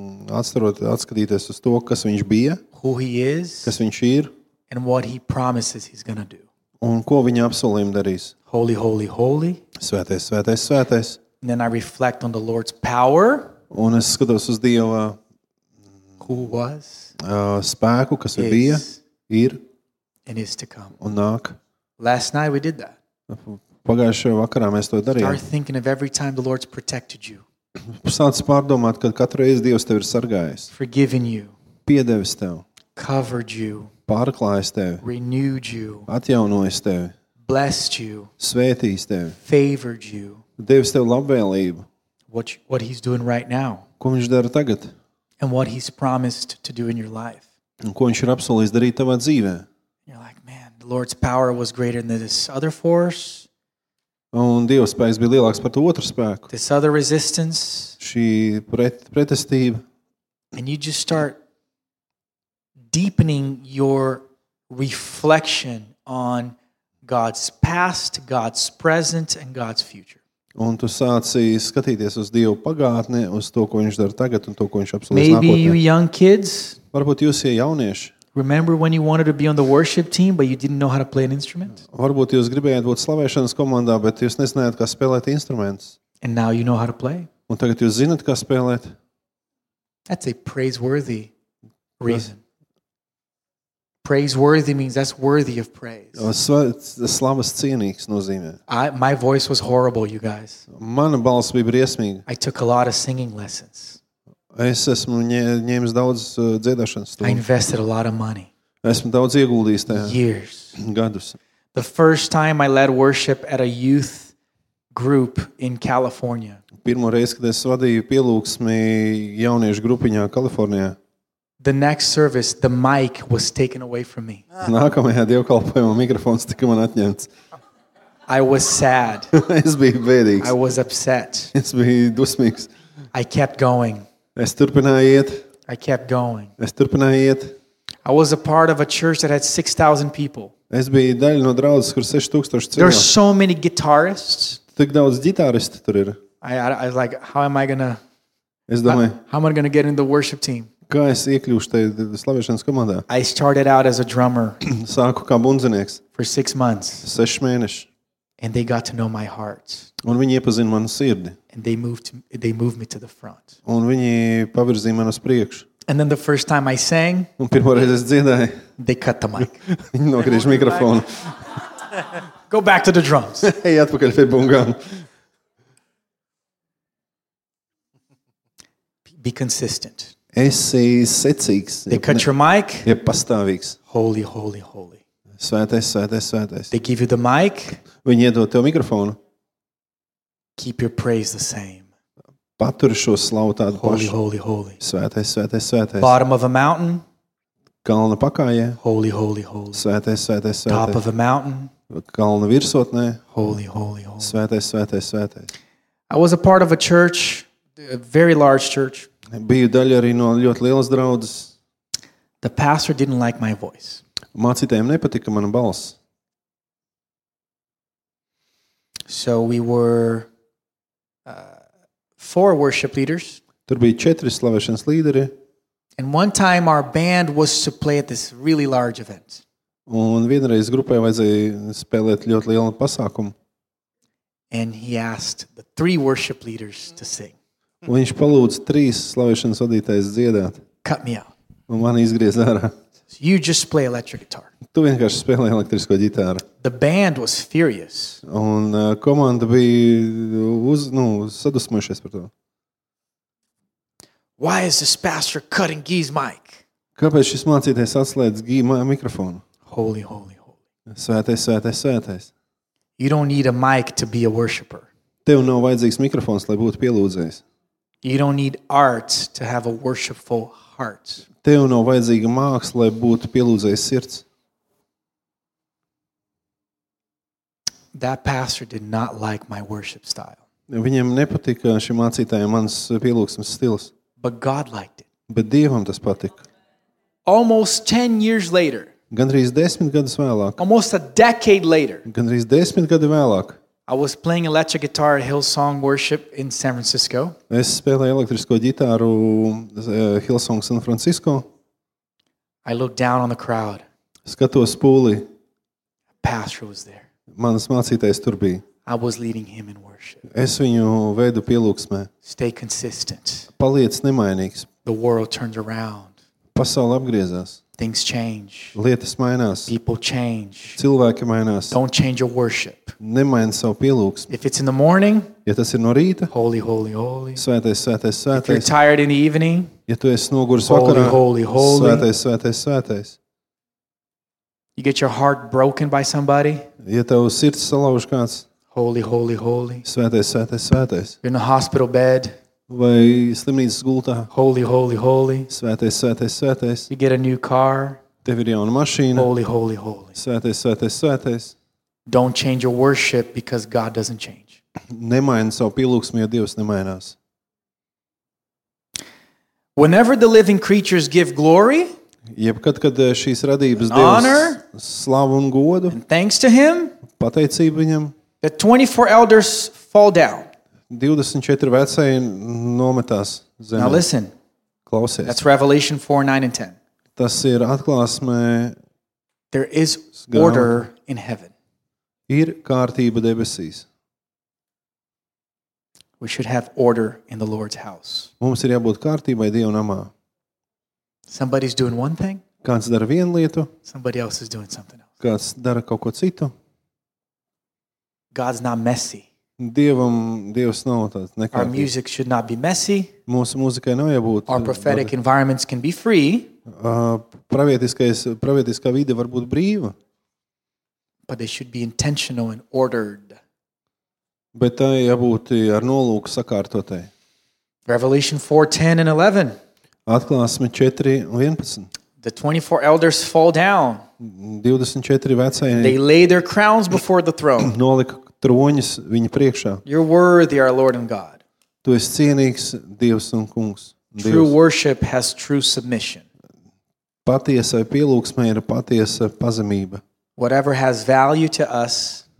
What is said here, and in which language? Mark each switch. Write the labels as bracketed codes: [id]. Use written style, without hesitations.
[lv] Atskatīties uz to, kas viņš bija, [en] who he is, [lv] kas viņš ir, [en] and what he promises he's gonna do. [lv] Un ko viņa apsolījumu darīs. [en] Holy, holy, holy. [lv] Svētais, svētais, svētais. [en] And then I reflect on the Lord's power. [lv] Un es skatos uz Dieva [en] who was, [lv] spēku, kas is, bija, ir, [en] and is to come. [lv] Un nāk. [en] Last night we did that. [lv] Pagājušajā vakarā mēs to darījām. [en] Start thinking of every time the Lord's protected you. [lv] Sāc pārdomāt, kad katru reizi Dievs tev ir sargājis. [en] Forgiven you. [lv] Piedevis tev. [en] Covered you. [lv] Pārklājis tevi. [en] Renewed you. [lv] Atjaunojis tevi. [en] Blessed you. [lv] Svētījis tevi. [en] Favored you. [lv] Devis tev labvēlību. [en] What he's doing right now. [lv] Ko viņš dara tagad? [en] And what he's promised to do in your life. [lv] Un ko viņš ir apsolījis darīt tavā dzīvē? [en] You're like, man, the Lord's power was greater than this other force. [lv] Un Dieva spēks bija lielāks par to otru spēku. [en] This other resistance. [lv] Šī pretestība. [en] And you just start deepening your reflection on God's past, God's present and God's future. [lv] Un tu sāci skatīties uz Dievu pagātni, uz to, ko viņš dara tagad un to, ko viņš apsolīs nākotnē. [en] Maybe you young kids? [lv] Varbūt jūs ie jaunieši? [en] Remember when you wanted to be on the worship team, but you didn't know how to play an instrument? [lv] Varbūt jūs gribējāt būt slavēšanas komandā, bet jūs nezināt, kā spēlēt instruments. [en] And now you know how to play. [lv] Un tagad jūs zināt, kā spēlēt. [en] That's a praiseworthy reason. Praiseworthy means that's worthy of praise. [lv] Slavas cienīgs nozīmē. [en] My voice was horrible, you guys. [lv] Mana balss bija briesmīga. [en] I took a lot of singing lessons. [lv] Es esmu ņēmis daudz dziedāšanas stundu. [en] I invested a lot of money. [lv] Esmu daudz ieguldījis tajā. [en] Years. [lv] Gadus. [en] The first time I led worship at a youth group in California. [lv] Pirmo reizi, kad es vadīju pielūksmi jauniešu grupiņā Kalifornijā. [en] The next service, the mic was taken away from me. [lv] Nākamajā dievkalpojumā mikrofons tika man atņemts. [en] I was sad. [lv] Es biju bēdīgs. [en] I was upset. [lv] Es biju dusmīgs. [en] I kept going. [lv] Es turpināju iet. [en] I kept going. [lv] Es turpināju iet. [en] I was a part of a church that had 6,000 people. [lv] Es biju daļa no draudzes, kur 6,000 cilvēku. [en] There are so many guitarists. [lv] Tik daudz ģitāristu tur ir. [en] I was like, how am I gonna? [lv] Es domāju, [en] how am I gonna get in the worship team? [lv] Kā es iekļūšu tajā slavēšanas komandā? [en] I started out as a drummer. [lv] Sāku kā bundzinieks. [en] For 6 months. [lv] 6 mēnešus. [en] And they got to know my heart. [lv] Un viņi iepazina manu sirdi. [en] And they moved me to the front. [lv] Un viņi pavirzīja mani uz priekšu. [en] And then the first time I sang, [lv] un pirmo reizi es dziedāju, [en] they cut the mic. [lv] Viņi nokrīž mikrofonu. [en] Go back to the drums. [lv] Ej atpakaļ pie bungām. [en] Be consistent. [lv] Esi secīgs. [en] They cut your mic. [lv] Ja pastāvīgs. [en] Holy, holy, holy. [lv] Svētais, svētais, svētais. [en] They give you the mic. [lv] Viņi iedod tev mikrofonu. [en] Keep your praise the same. [lv] Paturi šo slavu tādu [en] holy, [lv] pašu. [en] Holy, holy. [lv] Svētais, svētais, svētais. [en] Bottom of a mountain. [lv] Kalna pakājē. [en] Holy, holy, holy. [lv] Svētais, svētais, svētais. [en] Top of a mountain. [lv] Kalna virsotnē. [en] Holy, holy, holy. [lv] Svētais, svētais, svētais. [en] I was a part of a church, a very large church. [lv] Biju daļa arī no ļoti lielas draudzes. [en] The pastor didn't like my voice. [lv] Mācītājiem nepatika mana balss. [en] So we were 4 worship leaders. [lv] Tur bija 4 slavēšanas līderi. [en] And one time our band was to play at this really large event. [lv] Un vienreiz grupai vajadzēja spēlēt ļoti lielu pasākumu. [en] And he asked the 3 worship leaders to sing. [lv] Un viņš palūdz 3 slavēšanas vadītājus dziedāt. [en] Cut me out. [lv] Un mani izgriez ārā. [en] So you just play electric guitar. [lv] Tu vienkārši spēlē elektrisko ģitāru. [en] The band was furious. [lv] Un komanda bija sadusmojušies par to. [en] Why is this pastor cutting Guy's mic? [lv] Kāpēc šis mācītājs atslēdz Guy mikrofonu? [en] Holy, holy, holy. [lv] Svētais, svētais, svētais. [en] You don't need a mic to be a worshipper. [lv] Tev nav vajadzīgs mikrofons, lai būtu pielūdzējs. [en] You don't need art to have a worshipful heart. [lv] Tev nav vajadzīga māksla, lai būtu pielūdzējs sirds. [en] That pastor did not like my worship style. [lv] Viņam nepatika šim mācītājam mans pielūksmes stils. [en] But God liked it. [lv] Bet Dievam tas patika. [en] Almost 10 years later. [lv] Gandrīz 10 gadus vēlāk. [en] Almost a decade later. [lv] Gandrīz 10 gadu vēlāk. [en] I was playing electric guitar at Hillsong Worship in San Francisco. [lv] Es spēlēju elektrisko ģitāru Hillsong San Francisco. [en] I looked down on the crowd. [lv] Skatos pūlī. [en] Pastor was there. [lv] Mans mācītājs tur bija. [en] I was leading him in worship. [lv] Es viņu vedu pielūksmē. [en] Stay consistent. [lv] Paliec nemainīgs. [en] The world turns around. [lv] Pasaule apgriezās. [en] Things change. [lv] Lietas mainās. [en] People change. [lv] Cilvēki mainās. [en] Don't change your worship. [lv] Nemaini savu pielūksmi. [en] If it's in the morning. [lv] Ja tas ir no rīta. [en] Holy, holy, holy. [lv] Svētais, svētais, svētais. [en] If you're tired in the evening. [lv] Ja tu esi noguris vakarā. [en] Holy, holy, holy. [lv] Svētais, svētais, svētais. [en] You get your heart broken by somebody? [lv] Ja tavu sirds salauž kāds. [en] Holy, holy, holy. [lv] Svētais, svētais, svētais. [en] You're in a hospital bed. [lv] Vai slimnīcas gultā. [en] Holy, holy, holy. [lv] Svētais, svētais, svētais. [en] You get a new car. [lv] Tev ir jauna mašīna. [en] Holy, holy, holy. [lv] Svētais, svētais, svētais. [en] Don't change your worship because God doesn't change. [lv] Nemaini savu pielūksmi, jo Dievs nemainās. [en] Whenever the living creatures give glory, [lv] jebkad, kad šīs radības Dievs slavu un godu, [en] thanks to him, [lv] pateicību viņam. [en] The 24 elders fall down. [lv] 24 vecēji nometās zemē. [en] Now listen. [lv] Klausies. [en] That's Revelation 4, 9 and 10. [lv] Tas ir Atklāsmē. [en] There is order in heaven. [lv] Ir kārtība debesīs. [en] We should have order in the Lord's house. [lv] Mums ir jābūt kārtībai Dieva namā. [en] Somebody's doing one thing. [lv] Kāds dara vienu lietu. [en] Somebody else is doing something else. [lv] Kāds dara kaut ko citu. [en] God's not messy. [lv] Dievam Dievs nav tāds nekārtīgs. [en] Our music should not be messy. [lv] Mūsu mūzikai nav jābūt. [en] Our prophetic environments can be free. [lv] Pravietiskā vide var būt brīva. [en] But they should be intentional and ordered. [lv] Bet tai jābūt ar nolūku sakārtotai. [en] Revelation 4, 10 and 11. [lv] Atklāsme 4, 11. [en] The 24 elders fall down. [lv] 24 vecēji. [en] They lay their crowns before the throne. [lv] Nolika troņus viņa priekšā. [en] You're worthy, our Lord and God. [lv] Tu esi cienīgs, Dievs un Kungs. Dievs. [en] True worship has true submission. [lv] Patiesa pielūgsme ir patiesa pazemība. [en] Whatever has value to us,